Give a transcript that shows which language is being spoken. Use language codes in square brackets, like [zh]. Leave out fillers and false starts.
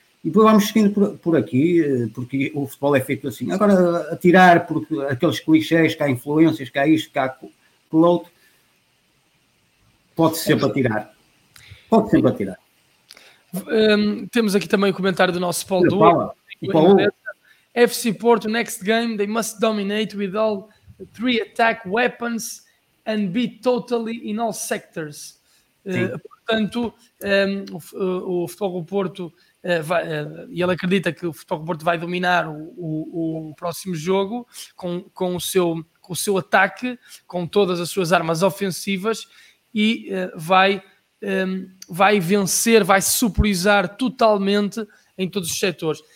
[pt] E depois vamos seguindo por aqui, porque o futebol é feito assim. Agora, a tirar por aqueles clichés que há influências, que há isto, que há aquilo outro, pode sempre atirar. Pode sempre atirar. Temos aqui também o comentário do nosso Paulo Duarte. Paulo. [en] FC Porto, next game, they must dominate with all three attack weapons and be totally in all sectors. [pt] Portanto, o Futebol do Porto, e ele acredita que o Futebol Clube Porto vai dominar o próximo jogo com o seu ataque, com todas as suas armas ofensivas, e vai vencer, vai superizar totalmente em todos os setores.